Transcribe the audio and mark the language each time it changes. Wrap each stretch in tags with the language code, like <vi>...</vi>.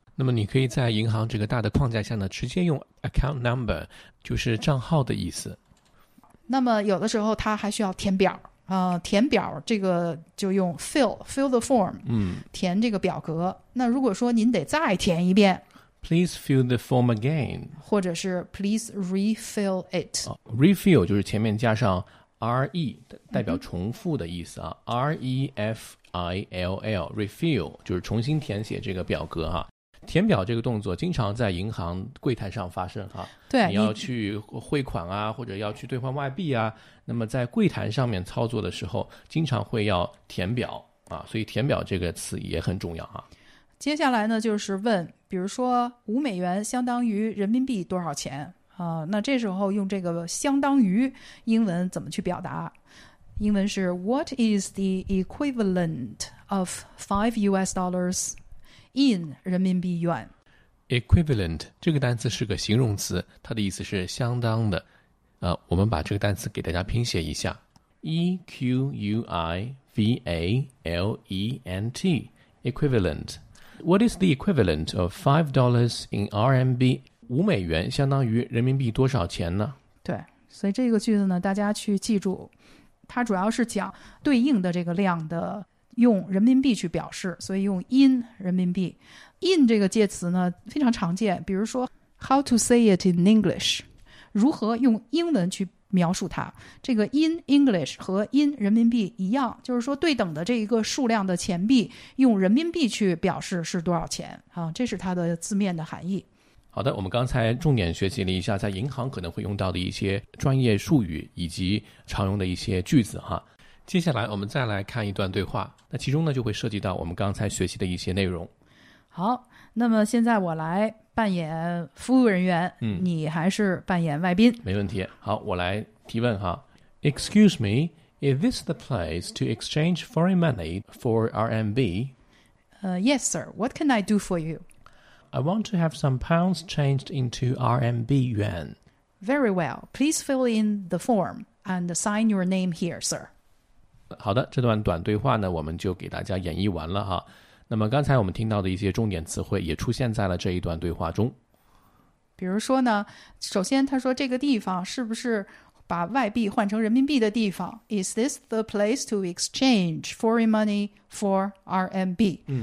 <zh>那么你可以在银行这个大的框架下呢直接用 account number， 就是账号的意思。那么有的时候他还需要填表，填表这个就用</zh> <en>fill the form。</en> <zh>填这个表格。那如果说您得再填一遍，</zh> <en>Please fill the form again. 或者是 Please refill it.、</en> <zh>Oh, refill 就是前面加上 re 代表重复的意思啊、mm-hmm. R-E-F-I-L-L refill 就是重新填写这个表格啊。填表这个动作经常在银行柜台上发生啊。对，你要去汇款啊，或者要去兑换外币啊，那么在柜台上面操作的时候经常会要填表啊，所以填表这个词也很重要啊。接下来呢就是问，比如说五美元相当于人民币多少钱啊、那这时候用这个相当于英文怎么去表达，英文是</zh> <en>What is the equivalent of $5 in</en> <zh>人民币元。 Equivalent 这个单词是个形容词，它的意思是相当的、我们把这个单词给大家拼写一下 EQUIVALENT Equivalent。</zh> <en>What is the equivalent of $5 in RMB?</en> <zh>五美元相当于人民币多少钱呢？对，所以这个句子呢大家去记住，它主要是讲对应的这个量的用人民币去表示，所以用 in 人民币。 in 这个介词呢非常常见，比如说</zh> <en>how to say it in English，</en> <zh>如何用英文去描述它，这个 in English 和 in 人民币一样，就是说对等的这一个数量的钱币用人民币去表示是多少钱啊，这是它的字面的含义。好的，我们刚才重点学习了一下在银行可能会用到的一些专业术语以及常用的一些句子哈。接下来我们再来看一段对话，那其中呢就会涉及到我们刚才学习的一些内容。好，那么现在我来扮演服务人员、你还是扮演外宾。没问题，好，我来提问哈。</zh> <en>Excuse me, is this the place to exchange foreign money for RMB? Yes sir, what can I do for you? I want to have some pounds changed into RMB yuan. Very well, please fill in the form and sign your name here sir.</en> <zh>好的，这段短对话呢我们就给大家演绎完了哈。那么刚才我们听到的一些重点词汇也出现在了这一段对话中，比如说呢，首先他说这个地方是不是把外币换成人民币的地方，</zh> <en>Is this the place to exchange foreign money for RMB、</en>